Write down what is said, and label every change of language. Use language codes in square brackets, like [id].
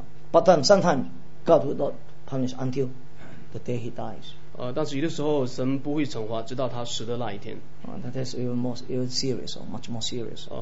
[en] But then sometimes God will not punish until the day he dies. [zh] 但是有的时候神不会惩罚，直到他死的那一天。 [en] That is even serious, or much more serious.